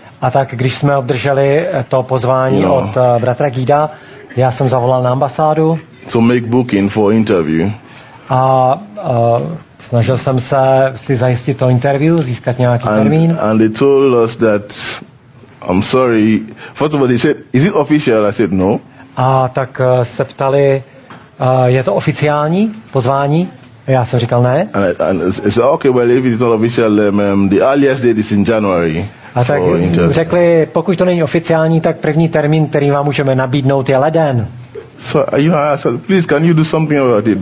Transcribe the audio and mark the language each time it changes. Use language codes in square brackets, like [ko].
[cs] A tak když jsme obdrželi to pozvání od bratra Gída, já jsem zavolal na ambasádu. [en] To make booking for interview. [cs] A snažil jsem se si zajistit to interview, získat nějaký termín. [en] And they told us that I'm sorry. First of all, they said, is it official? I said no. [cs] A tak se ptali, je to oficiální pozvání? Já jsem říkal ne. [en] And okay, well, if it's not official, the earliest date is in January. [cs] A tak řekli, pokud to není oficiální, tak první termín, který vám můžeme nabídnout, je leden. [en] So, you know, I said, please, can you do something about it?